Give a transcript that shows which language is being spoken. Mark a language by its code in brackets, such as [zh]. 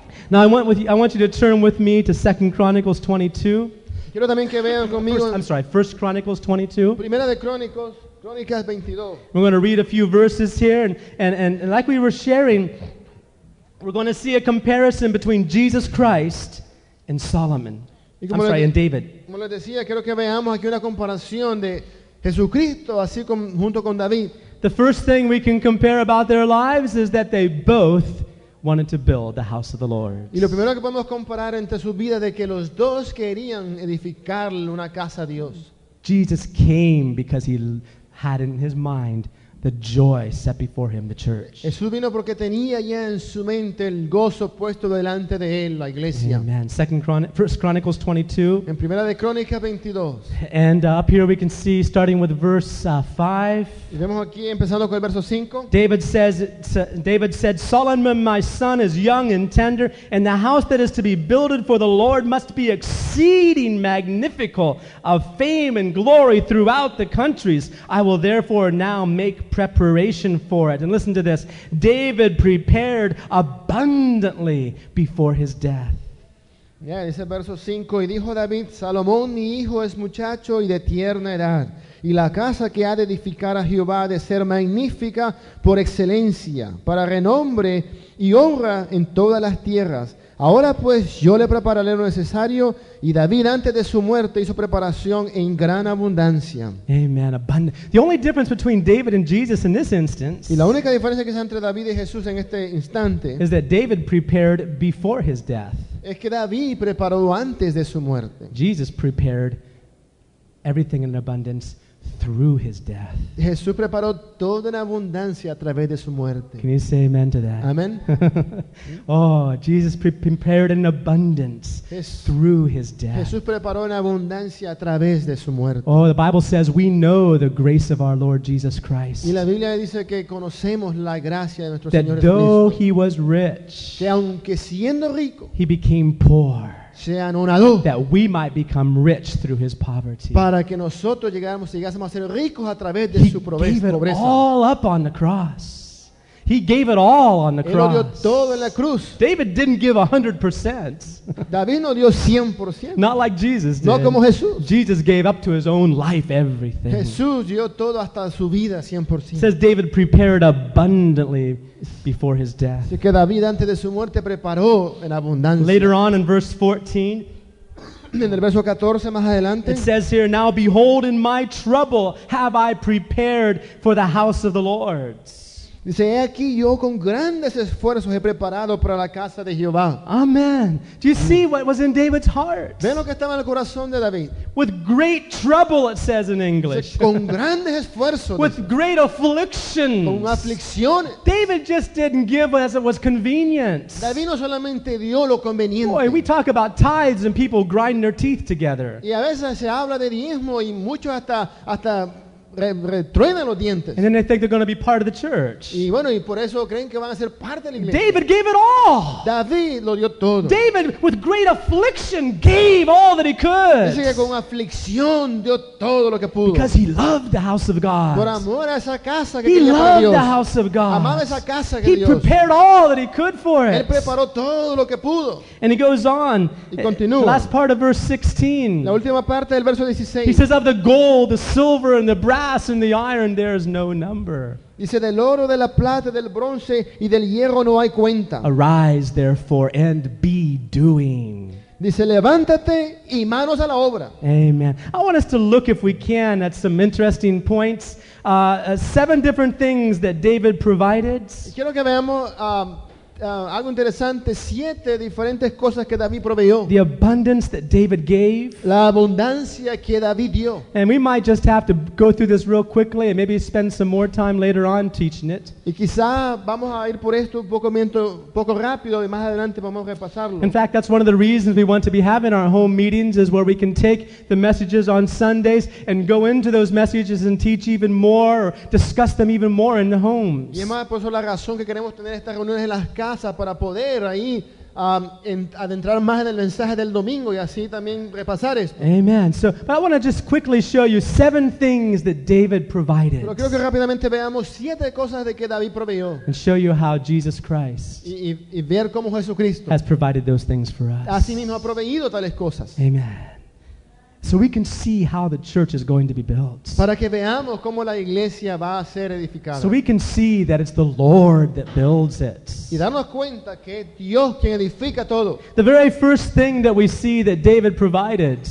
[en] Now I want you to turn with me to 2 Chronicles 22. [es] Quiero también que vean conmigo. [en] I'm sorry, 1 Chronicles 22. [es] Primera de Crónicos, Crónicas 22. [en] We're going to read a few verses here, and like we were sharing, we're going to see a comparison between Jesus Christ and Solomon. And David. [es] Como les decía, quiero que veamos aquí una comparación de Jesucristo así con, junto con David. [en] The first thing we can compare about their lives is that they both wanted to build the house of the Lord. [es] Y lo primero que podemos comparar entre su vida de que los dos querían edificar una casa a Dios. [en] Jesus came because he had in his mind the joy set before him, the church. [es] Jesús vino porque tenía ya en su mente el gozo puesto delante de él, la iglesia. [en] Amen. First Chronicles 22. [es] En primera de Crónicas 22. [en] And up here we can see, starting with verse 5. [es] Y vemos aquí, empezando con el verso 5. [en] David said, Solomon, my son, is young and tender, and the house that is to be builded for the Lord must be exceeding magnificent of fame and glory throughout the countries. I will therefore now make preparation for it. And listen to this. David prepared abundantly before his death. [es] Ya, yeah, dice verso 5. Y dijo David, Salomón, mi hijo, es muchacho y de tierna edad. Y la casa que ha de edificar a Jehová ha de ser magnífica por excelencia, para renombre y honra en todas las tierras. Ahora pues yo le prepararé lo necesario, y David antes de su muerte hizo preparación en gran abundancia. [en] Amen. Abundant. The only difference between David and Jesus in this instance. [es] Y la única diferencia que es entre David y Jesús en este instante. [en] Is that David prepared before his death. [es] Es que David preparó antes de su muerte. [en] Jesus prepared everything in abundance through his death. [es] Jesús preparó todo en abundancia a través de su muerte. [en] Can you say amen to that? Amen. Oh, Jesus prepared in abundance through his death. [es] Jesús preparó en abundancia a través de su muerte. [en] Oh, the Bible says we know the grace of our Lord Jesus Christ. [es] Y la Biblia dice que conocemos la gracia de nuestro [en] that [es] Señor [en] Jesucristo. Though he was rich, [es] que aunque siendo rico, [en] he became poor. [es] Anonadó, [en] that we might become rich through his poverty. [es] Para que nosotros llegásemos a ser ricos a través de [en] he [es] su pobreza. [en] He gave it all up on the cross. He gave it all on the [es] él [en] cross. [es] Dio todo en la cruz. [en] David didn't give 100%. [es] David no dio 100%. [en] Not like Jesus did. [es] No como Jesús. [en] Jesus gave up to his own life everything. [es] Jesús dio todo hasta su vida 100%. [en] Says David prepared abundantly before his death. [es] Así que David antes de su muerte preparó en abundancia. [en] Later on in verse 14. [es] En el verso 14, más adelante, [en] it says here, now behold, in my trouble have I prepared for the house of the Lord. [es] Dice, he aquí, yo con grandes esfuerzos he preparado para la casa de Jehová. [en] Amen. Do you see what was in David's heart? [es] ¿Ven lo que estaba en el corazón de David? [en] With great trouble, it says in English. [es] Dice, con grandes esfuerzos. [en] With great affliction. [es] Con aflicciones. [en] David just didn't give as it was convenient. [es] David no solamente dio lo conveniente. [en] Boy, we talk about tithes and people grinding their teeth together. [es] Y a veces se habla de diezmo y muchos hasta retruenan los dientes. [en] And then they think they're going to be part of the church. [es] Y bueno, y por eso creen que van a ser parte de la iglesia. [en] David gave it all. [es] David lo dio todo. [en] David, with great affliction, gave all that he could. [es] Dice que con aflicción dio todo lo que pudo. [en] Because he loved the house of God. [es] Por amor a esa casa que [en] he [es] tenía [en] loved [es] para Dios. [en] The house of God. [es] Amaba esa casa que [en] he [es] Dios. [en] Prepared all that he could for it. [es] Él preparó todo lo que pudo. [en] And he goes on. [es] Y continúa. [en] Last part of verse 16. [es] La última parte del verso 16. [en] He says, of the gold, the silver, and the brass, and the iron, there is no number. [es] Dice, del oro, de la plata, del bronce y del hierro no hay cuenta. [en] Arise therefore and be doing. [es] Dice, levántate y manos a la obra. [en] Amen. I want us to look, if we can, at some interesting points. Seven different things that David provided. [es] Quiero que veamos algo interesante, siete diferentes cosas que David proveyó. [en] The abundance that David gave. [es] La abundancia que David dio. [en] And we might just have to go through this real quickly and maybe spend some more time later on teaching it. [es] Y quizá vamos a ir por esto un poco rápido y más adelante vamos a repasarlo. [en] In fact, that's one of the reasons we want to be having our home meetings, is where we can take the messages on Sundays and go into those messages and teach even more or discuss them even more in the homes. [es] Y es más por eso la razón que queremos tener estas reuniones en las casa para poder ahí adentrar más en el mensaje del domingo y así también repasar esto. [en] Amen. So, but I want to just quickly show you seven things that David provided. [es] Pero quiero que rápidamente veamos siete cosas de que David proveyó. [en] And show you how Jesus Christ [es] y ver cómo Jesucristo [en] has provided those things for us. [es] Así mismo ha proveído tales cosas. [en] Amen. So we can see how the church is going to be built. [es] Para que veamos cómo la iglesia va a ser edificada. [en] So we can see that it's the Lord that builds it. [es] Y darnos cuenta que es Dios quien edifica todo. [en] The very first thing that we see that David provided.